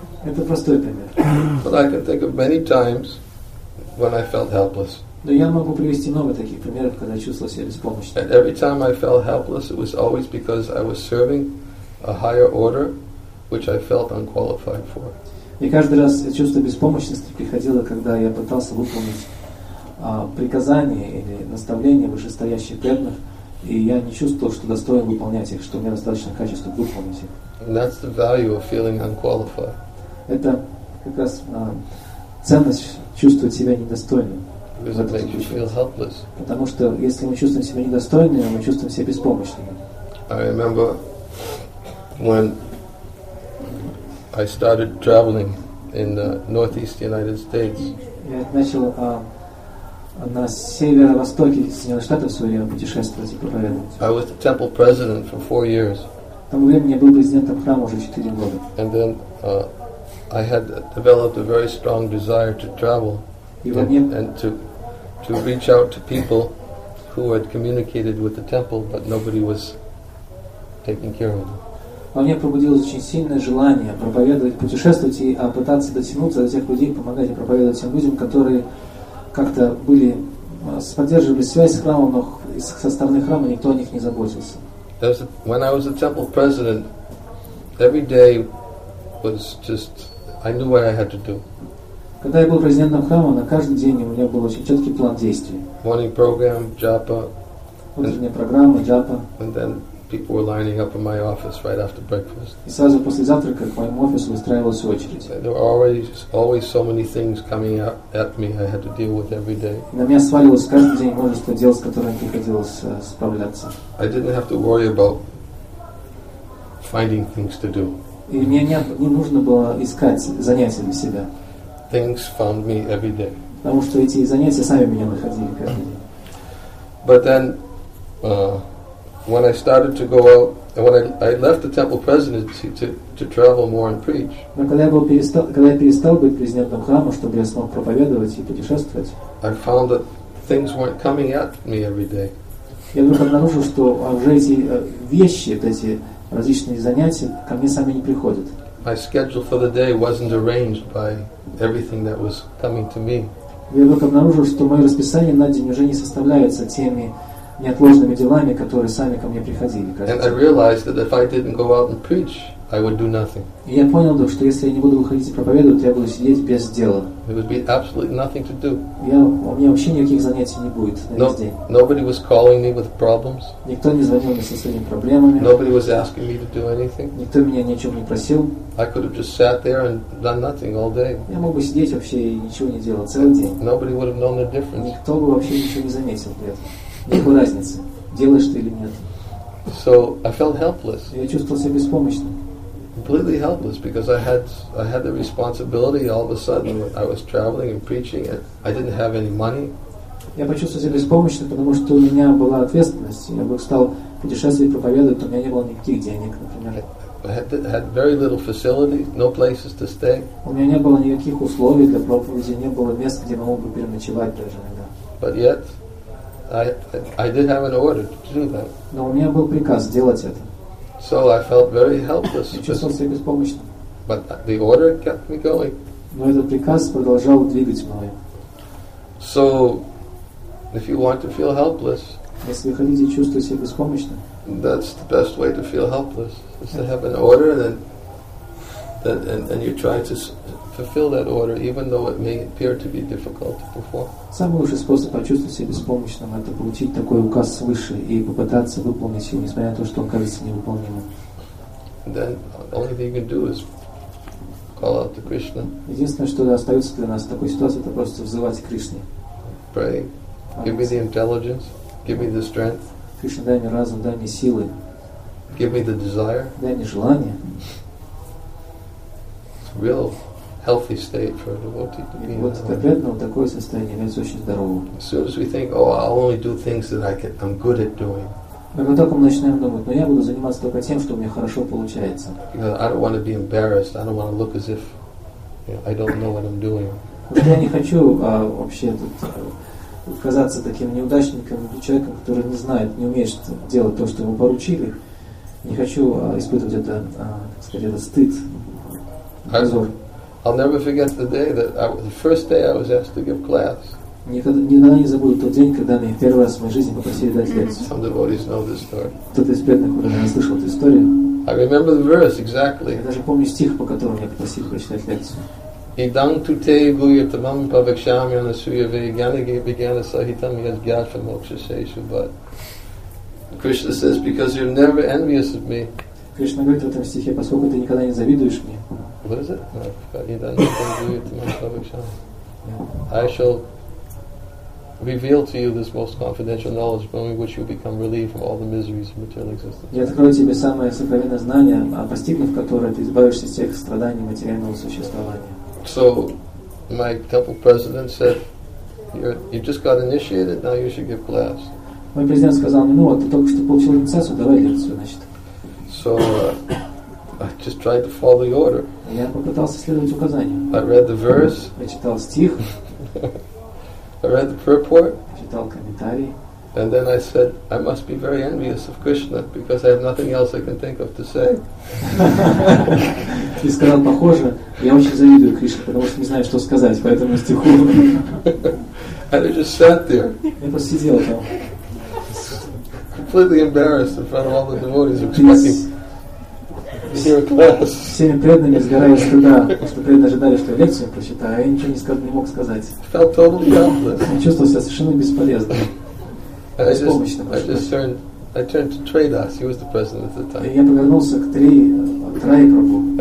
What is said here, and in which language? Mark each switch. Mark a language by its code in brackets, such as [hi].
[en] But I can think of many times when I felt helpless. And every time I felt helpless, it was always because I was serving a higher order which I felt unqualified for. [ru] И каждый раз чувство беспомощности приходило, когда я пытался выполнить приказания или наставления вышестоящих преданных, и я не чувствовал, что достоин выполнять их, что у меня достаточно качества выполнить их. [en] That's the value of feeling unqualified. [ru] Это как раз ценность чувствовать себя недостойным. [en] Because it makes you feel helpless. [ru] Потому что если мы чувствуем себя недостойными, мы чувствуем себя беспомощными. [en] I remember when I started traveling in the northeast United States. [ru] Я начал на северо-востоке Соединенных Штатов свое время путешествовать и проповедовать. [en] I was the temple president for 4 years. [ru] Там я был президентом храма уже 4 года. [en] And then I had developed a very strong desire to travel and to reach out to people who had communicated with the temple, but nobody was taking care of them. [ru] Во мне пробудилось очень сильное желание проповедовать, путешествовать и пытаться дотянуться до тех людей, помогать и проповедовать тем людям, которые как-то были, поддерживали связь с храмом, но со стороны храма никто о них не заботился. [en] When I was a temple president, every day was just, I knew what I had to do. [ru] Когда я был президентом храма, на каждый день у меня был очень четкий план действий. [en] Morning program, japa. [ru] Утренняя программа, japa. [en] And then people were lining up in my office right after breakfast. [ru] И сразу после завтрака к моему офису выстраивалась очередь. [en] There were always so many things coming at me I had to deal with every day. [ru] На меня сваливалось каждый день множество дел, с которыми приходилось справляться. [en] I didn't have to worry about finding things to do. [ru] И мне не нужно было искать занятия для себя. [en] Things found me every day. [ru] Потому что эти занятия сами меня находили каждый день. [en] But then, when I started to go out, and when I left the temple presidency to travel more and preach. [ru] Но когда я перестал быть президентом храма, чтобы я смог проповедовать и путешествовать. [en] I found that things weren't coming at me every day. [ru] Я вдруг обнаружил, что уже эти вещи, эти различные занятия, ко мне сами не приходят. [en] My schedule for the day wasn't arranged by everything that was coming to me. [ru] Я вдруг обнаружил, что мое расписание на день уже не составляется теми неотложными делами, которые сами ко мне приходили. [en] And I realized that if I didn't go out and preach, I would do nothing. [ru] И я понял, что если я не буду выходить и проповедовать, я буду сидеть без дела. [en] There would be absolutely nothing to do. [ru] У меня вообще никаких занятий не будет на весь день. [en] Nobody was calling me with problems. [ru] Никто не звонил мне со своими проблемами. [en] Nobody was asking me to do anything. [ru] Никто меня ни о чем не просил. [en] I could have just sat there and done nothing all day. [ru] Я мог бы сидеть вообще и ничего не делать целый день. [en] Nobody would have known the difference. [ru] Никто бы вообще ничего не заметил при этом. Никакой разницы, делаешь ты или нет. [en] So I felt helpless. [ru] Я чувствовал себя беспомощным. [en] Completely helpless because I had the responsibility. All of a sudden, I was traveling and preaching, and I didn't have any money. [ru] Я почувствовал себя беспомощным, потому что у меня была ответственность. Я стал путешествовать, проповедовать, у меня не было никаких денег, например. [en] I had very little facility, no places to stay. [ru] У меня не было никаких условий для проповеди, не было мест, где я мог бы переночевать даже иногда. [en] But yet, I did have an order to do that. [ru] Но у меня был приказ делать это. [en] So I felt very helpless. [ru] Я чувствовал себя беспомощным. [en] But the order kept me going. [ru] Но этот приказ продолжал двигать мной. [en] So, if you want to feel helpless, [ru] если вы хотите чувствовать себя беспомощным, [en] that's the best way to feel helpless, is to have an order and then, and you try to fulfill that order, even though it may appear to be difficult to perform. [ru] Самый лучший способ почувствовать себя беспомощным – это получить такой указ свыше и попытаться выполнить его, несмотря на то, что он кажется невыполнимым. [en] Then only thing you can do is call out to Krishna. [ru] Единственное, что остается для нас в такой ситуации, это просто взывать к Кришне. [en] Pray. Give me the intelligence. Give me the strength. [ru] Кришна, дай мне разум, дай мне силы. [en] Give me the desire. [ru] Дай мне желание. [en] It's a real healthy state for a devotee to be. [ru] Вот это бедно, вот такое состояние, это очень здорово. [en] As soon as we think, oh, I'll only do things that I'm good at doing. [ru] Мы вот так начинаем думать, но я буду заниматься только тем, что у меня хорошо получается. [en] You know, I don't want to be embarrassed. I don't want to look as if, you know, I don't know what I'm doing. [ru] Я не хочу вообще тут казаться таким неудачником или человеком, который не знает, не умеет делать то, что ему поручили. Не хочу испытывать это, так сказать, этот стыд, позор. [en] I'll never forget the day that the first day I was asked to give class. [ru] Никогда не забуду тот день, когда меня первый раз в моей жизни попросили дать лекцию. [en] Some devotees know this story. [ru] Кто-то из преданных уже не слышал эту историю. [en] I remember the verse exactly. [ru] Я даже помню стих, по которому меня попросили прочитать лекцию. [sa] Идан туте гуйятамам павакшами анасуя вейганаге бегана сахитам язгяша мокшасейшу. [en] But Krishna says, because you're never envious of me. [ru] Кришна говорит в этом стихе, поскольку ты никогда не завидуешь мне. [en] What is it? [sa] Идан туте гуйятамам павакшами. [en] I shall reveal to you this most confidential knowledge, by which you will become relieved from all the miseries of material existence. [ru] Я открою тебе самое сокровенное знание, постигнув которое, ты избавишься от всех страданий материального существования. [en] So, my temple president said, "You just got initiated. Now you should give class." [ru] Мой президент сказал мне, ну вот ты только что получил инициацию, давай лекцию, значит. [en] So, I just tried to follow the order. [ru] Я попытался следовать указанию. [en] I read the verse. [ru] Я читал стих. [en] I read the purport. [ru] Я читал комментарий. [en] And then I said, I must be very envious of Krishna because I have nothing else I can think of to say. [ru] Ты сказал, похоже, я очень завидую Кришне, потому что не знаю, что сказать по этому стиху. [en] And I just sat there. [ru] Я просто сидел там. [en] Completely embarrassed in front of all the devotees expecting your class. [ru] Всеми преданными сгорая стыда, потому что преданные ожидали, что я лекцию прочитаю, а я ничего не мог сказать. [en] Felt totally helpless. [ru] Я чувствовал себя совершенно бесполезным. [en] I turned to Trey Das. He was the president at the time. [ru] Я повернулся к Трей Прабу.